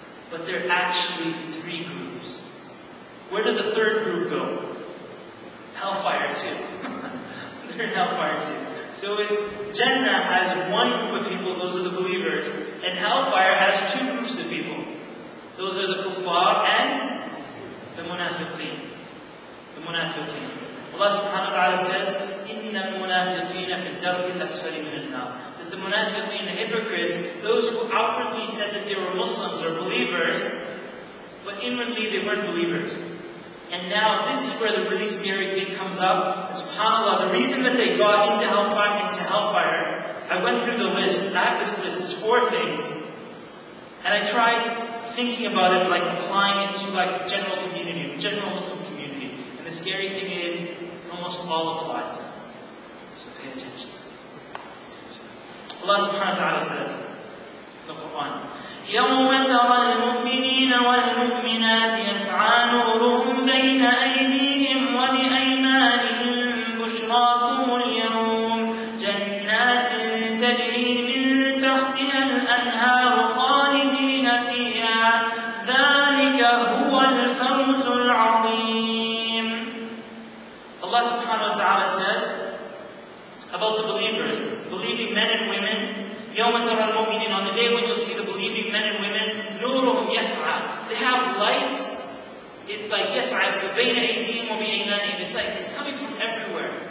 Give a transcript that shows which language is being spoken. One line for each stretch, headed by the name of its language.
English: But there are actually three groups. Where did the third group go? Hellfire too. They're in hellfire too. So it's, Jannah has one group of people, those are the believers, and Hellfire has two groups of people. Those are the Kuffar and the Munafiqeen. The Munafiqeen. Allah subhanahu wa ta'ala says,
Arabic: إِنَّ الْمُنَافِقِينَ فِي الدَّرْكِ الْأَسْفَلِ مِنَ النَّارِ.
English: That the Munafiqeen, the hypocrites, those who outwardly said that they were Muslims or believers, but inwardly they weren't believers. And now, this is where the really scary thing comes up. And subhanAllah, the reason that they got into hellfire, I went through the list, I have this list, it's four things. And I tried thinking about it, like applying it to like general Muslim community. And the scary thing is, almost all applies. So pay attention. Allah subhanahu wa ta'ala says, the Quran,
Arabic: يَوْمَ تَرَى الْمُؤْمِنِينَ وَالْمُؤْمِنَاتِ يَسْعَى نُورُهُمْ بَيْنَ أَيْدِيهِمْ وَبِأَيْمَانِهِمْ بُشْرَاكُمُ الْيَوْمَ جَنَّاتٍ تَجْرِي مِنْ تَحْتِهَا الْأَنْهَارُ خَالِدِينَ فِيهَا ذَلِكَ هُوَ الْفَوْزُ الْعَظِيمُ.
English: Allah subhanahu wa ta'ala says about the believers, believing men and women,
Arabic: يَوْمَ تَرَى الْمُؤْمِنِينَ,
English: on the day when you'll see the believing men and women,
Arabic: نُورُهُمْ يَسْعَى,
English: they have lights. It's like, يَسْعَى, it's
Arabic: بَيْنَ أَيْدِيهِمْ وَبِأَيْمَانِهِمْ,
English: it's like, it's coming from everywhere.